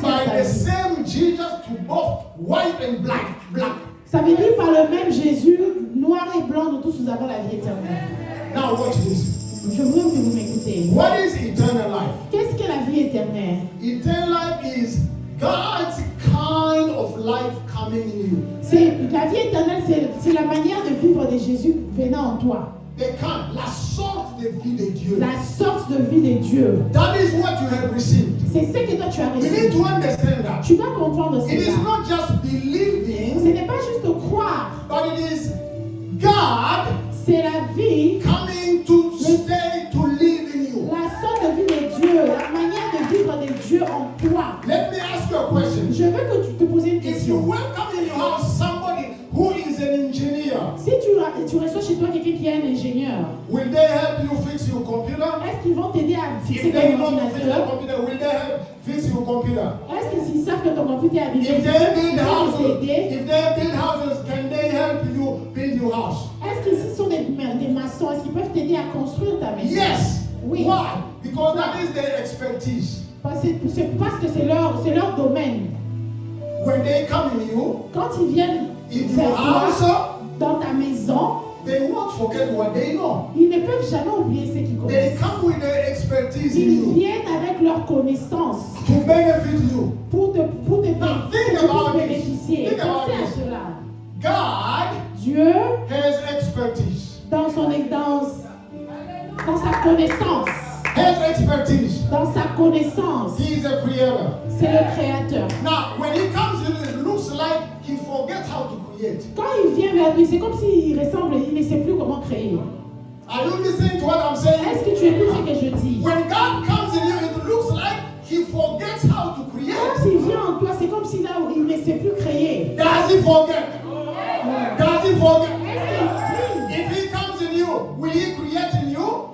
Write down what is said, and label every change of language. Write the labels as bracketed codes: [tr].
[en] By the same Jesus to both white and black. Black. [fr] Ça veut dire par le même Jésus, noir et blanc, nous tous nous avons la vie éternelle. [en] Now watch this. [fr] Je veux que vous m'écoutez. [en] What is eternal life? [fr] Qu'est-ce que la vie éternelle? [en] Eternal life is God's kind of life coming in you. [fr] C'est la vie éternelle, c'est la manière de vivre de Jésus venant en toi. Kind, la sorte de vie de Dieu. La sorte de vie de Dieu. [en] That is what you have received. [fr] C'est ce que toi tu as reçu. [en] You need to understand that. [fr] Tu dois comprendre ça. [en] It is not just believing. [fr] Ce n'est pas juste croire. [en] But it is God. [fr] C'est la vie. [en] Coming to stay to live in you. [fr] La sorte de vie de Dieu, la manière de vivre de Dieu en toi. [en] Let me ask you a question. [fr] Je veux que tu te poses une question. [en] If you welcome in your house somebody who is an engineer. [fr] Si tu reçois chez toi quelqu'un qui est un ingénieur. [en] Will they help you fix your computer? [fr] Est-ce qu'ils vont t'aider à fixer ton computer? [en] Will they help fix your computer? [fr] Est-ce qu'ils savent que ton computer est abîmé? [en] If they build houses, can they help you build your house? [fr] Est-ce que ce sont des maçons? Est-ce qu'ils peuvent t'aider à construire ta maison? [en] Yes. [fr] Oui. [en] Why? Because that is their expertise. [fr] Parce que c'est leur domaine. [en] When they come in you, [fr] quand ils viennent [en] if you answer, [fr] dans ta maison, [en] they won't forget what they know. [fr] Ils ne peuvent jamais oublier ce qu'ils connaissent. [en] They come with their expertise [fr] ils [en] in you. [fr] Viennent avec leur connaissance [en] to benefit you. [fr] Pour te bénéficier. [en] Think about this. God, [fr] Dieu, [en] has expertise. [fr] Dans sa connaissance. [en] Has expertise. [fr] Dans sa connaissance. [en] He is a creator. [fr] C'est le créateur. [en] Now, when he comes in, it looks like he forgets how to create. [fr] Quand il vient vers lui, c'est comme s'il ressemble, il ne sait plus comment créer. [en] Are you listening to what I'm saying? [fr] Est-ce que tu écoutes ce que je dis? [en] When God comes in, it looks like he forgets how to create. [fr] Quand il vient en toi, c'est comme si là, il ne sait plus créer. [en] Does he forget? Does he forget? [fr] Est-ce [en] if he comes in you, will he create in you?